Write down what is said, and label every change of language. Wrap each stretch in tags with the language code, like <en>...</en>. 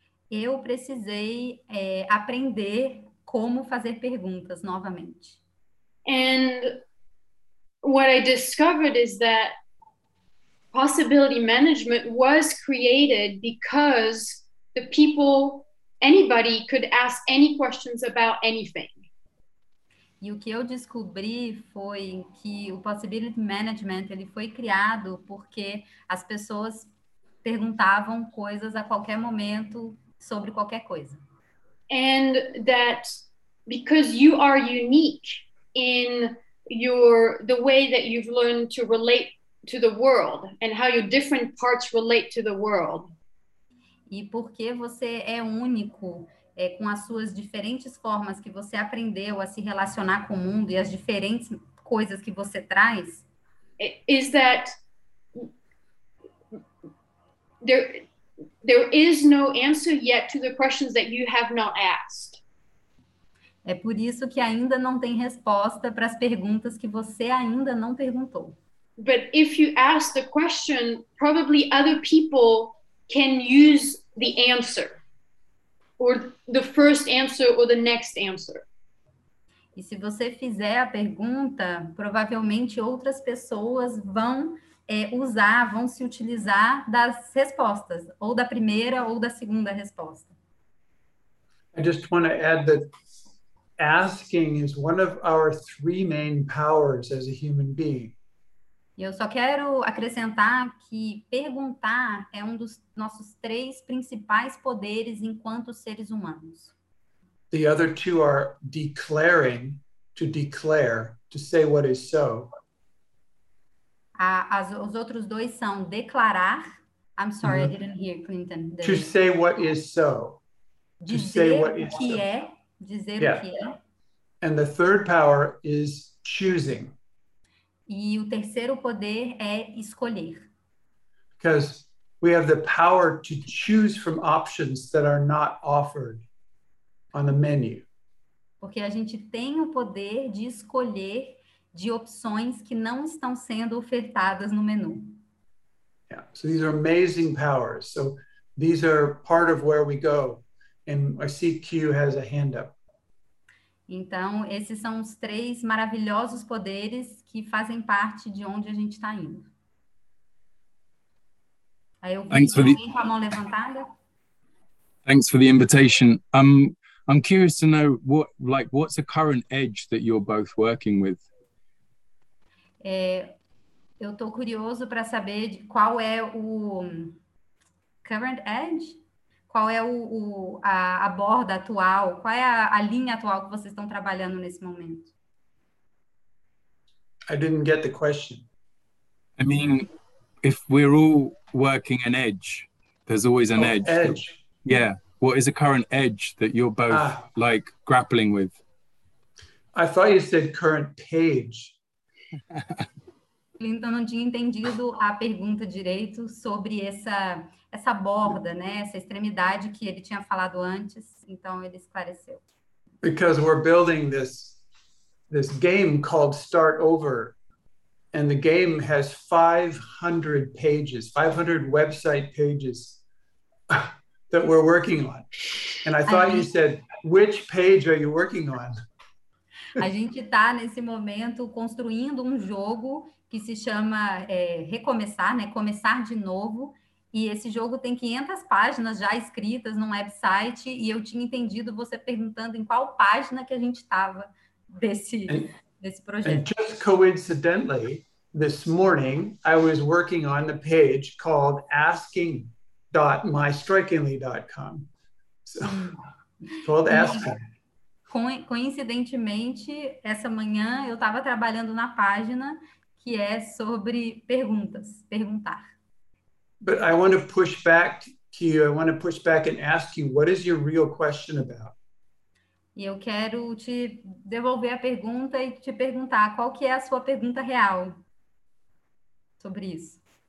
<pt>Eu precisei aprender como fazer perguntas novamente.</pt> <en>And what I discovered is that possibility management was created because the people, anybody could ask any questions about anything.</en> <pt>E o que eu descobri foi que o possibility management, ele foi criado porque as pessoas perguntavam coisas a qualquer momento sobre qualquer coisa.</pt> <en>And that because you are unique in the way that you've learned to relate to the world and how your different parts relate to the world.</en> <pt>E porque você é único com as suas diferentes formas que você aprendeu a se relacionar com o mundo e as diferentes coisas que você traz.</pt> <en>Is that there is no answer yet to the questions that you have not asked.</en> <pt>É por isso que ainda não tem resposta para as perguntas que você ainda não perguntou.</pt> <en>But if you ask the question, probably other people can use the answer, or the first answer, or the next answer.</en> <pt>E se você fizer a pergunta, provavelmente outras pessoas vão vão se utilizar das respostas, ou da primeira ou da segunda resposta.</pt> <en>I just want to add that asking is one of our three main powers as a human being.</en> <pt>Eu só quero acrescentar que perguntar é um dos nossos três principais poderes enquanto seres humanos.</pt> <en>The other two are declaring, to declare, to say what is so.</en> <pt>Os outros dois são declarar.</pt> <en>I'm sorry, mm-hmm. I didn't hear, Clinton. To say what is so. To say what is so.</en> <pt>É, dizer</pt> <en>yeah.</en> <pt>O que é.</pt> <en>And the third power is choosing.</en> <pt>E o terceiro poder é escolher.</pt> <en>Because we have the power to choose from options that are not offered on the menu.</en> <pt>Porque a gente tem o poder de escolher de opções que não estão sendo ofertadas no menu.</pt> <en>Yeah, so these are amazing powers. So these are part of where we go. And I see Q has a hand up.</en> <pt>Então, esses são os três maravilhosos poderes que fazem parte de onde a gente está indo. Aí eu</pt> <en>Thanks for</en> <pt>com a mão levantada.</pt> <en>Thanks for the invitation. I'm curious to know what's the current edge that you're both working with?</en> <pt>Eu estou curioso para saber qual é o current edge? Qual é a borda atual? Qual é a linha atual que vocês estão trabalhando nesse momento?</pt> <en>I didn't get the question. I mean, if we're all working an edge, there's always an edge. Edge. Yeah. What is a current edge that you're both like grappling with? I thought you said current page.</en> <pt>Então não tinha entendido a pergunta direito sobre essa borda, né? Essa extremidade que ele tinha falado antes. Então ele esclareceu.</pt> <en>Because we're building this game called Start Over. And the game has 500 pages, 500 website pages that we're working on. And I thought you said, which page are you working on?</en> <pt>A gente tá nesse momento construindo um jogo que se chama Recomeçar, né? Começar de novo. E esse jogo tem 500 páginas já escritas num website. E eu tinha entendido você perguntando em qual página que a gente tava desse projeto.</pt> <en>And just coincidentally, this morning, I was working on the page called asking.mystrikingly.com. So, called Asking.</en> <pt>Coincidentemente, essa manhã eu estava trabalhando na página que é sobre perguntas, perguntar.</pt> <en>But I want to push back to you. I want to push back and ask you, what is your real question about?</en> <pt>E eu quero te devolver a pergunta e te perguntar qual que é a sua pergunta real sobre isso.</pt>